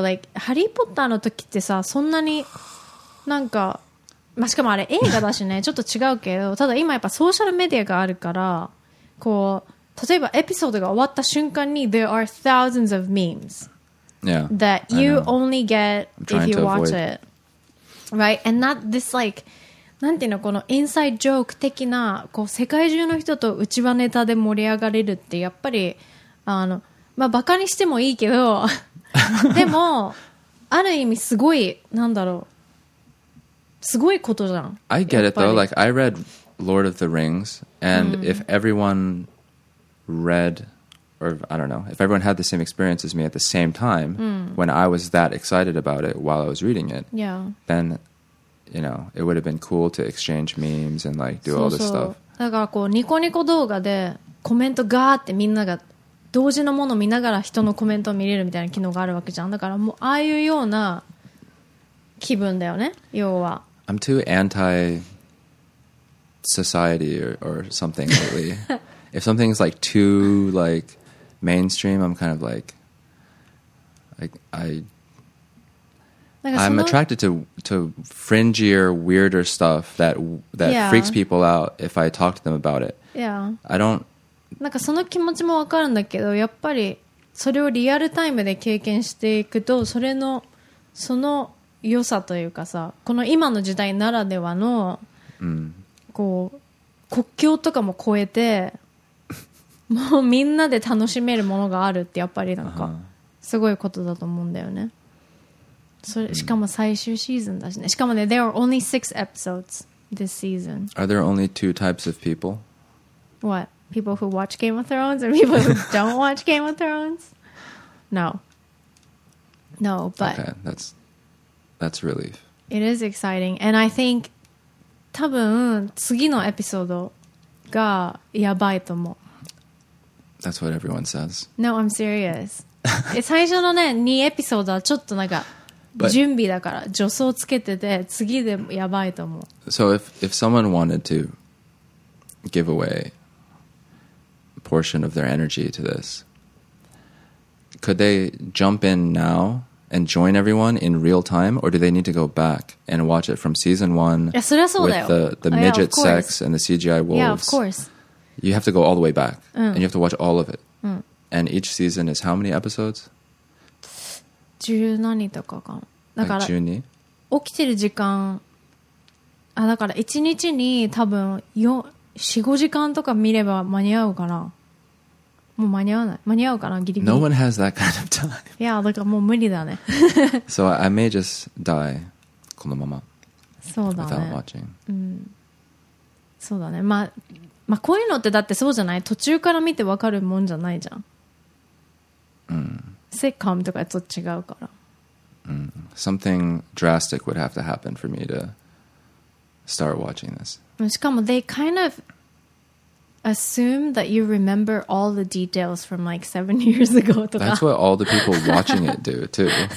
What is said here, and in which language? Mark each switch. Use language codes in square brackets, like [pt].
[ja] Like, Harry Potter の時ってさ、そんなになんか、まあ、しかもあれ映画だしね、ちょっと違うけど、ただ今やっぱソーシャルメディアがあるから、こう、例えばエピソードが終わった瞬間に、 [en] there are thousands of memes yeah, that you only get if you watch it. Right? And not this, like... [ja] なんていうのこのインサイドジョーク的なこう世界中の人と内輪ネタで盛り上がれるってやっぱりあのまあバカにしてもいいけどでもある意味すごいなんだろうすごいことじゃん。 [en] I get it though. Like I read Lord of the Rings, and、うん、if everyone read or I don't know if everyone had the same experience as me at the same time、うん、 when I was that excited about it while I was reading it, yeah, then. You know, it would have been cool to exchange memes and like do all this stuff. [ja] だからこうニコニコ動画でコメントガーってみんなが同時のものを見ながら人のコメントを見れるみたいな機能があるわけじゃん。だからもうああいうような気分だよね。要は。 [en] I'm too anti society or something lately. If something's like too like mainstream, I'm kind of like I. I'm attracted to fringier, weirder stuff that、 yeah. freaks people out if I talk to them about it. Yeah. I don't... [ja] なんかその気持ちもわかるんだけど、やっぱりそれをリアルタイムで経験していくと、それの、その良さというかさ、この今の時代ならではの、 mm. こう、国境とかも超えて、もうみんなで楽しめるものがあるって、やっぱりなんか、すごいことだと思うんだよね。それしかも最終シーズンだしね。しかもね、 [en] there are only six episodes this season. Are there only two types of people? What? People who watch Game of Thrones or people who don't watch Game of Thrones? No. No, but... Okay, that's a relief. It is exciting. And I think, [ja] 多分次のエピソードがやばいと思う。 [en] That's what everyone says. No, I'm serious. [ja] 最初のね、2エピソードはちょっとなんか、But, 準備だから助走つけてて次でやばいと思う。 [en] So if someone wanted to give away a portion of their energy to this, could they jump in now and join everyone in real time, or do they need to go back and watch it from season one? [ja] いやそれはそうだよ。 [en] With the midget yeah, sex and the CGI wolves. Yeah, of course. You have to go all the way back,、うん、 and you have to watch all of it.、うん、 and each season is how many episodes? [ja] 十何とかかだから、 like、起きてる時間あだから1日に多分4、5時間とか見れば間に合うかなもう間に合わない。間に合うかな、ギリギリ。 [en] No one has that kind of time. [ja] いや、だからもう無理だね。 [en] So I may just die [ja] このまま。そうだね。 [en] Without watching. うん。 [ja] そうだね。まあ、まあ、こういうのってだってそうじゃない？途中から見てわかるもんじゃないじゃん。うん。 Sitcomとかと違うから。うん。 [en] Something drastic would have to happen for me to start watching this. しかも they kind ofAssume that you remember all the details from like 7 years ago. That's what all the people watching it do too.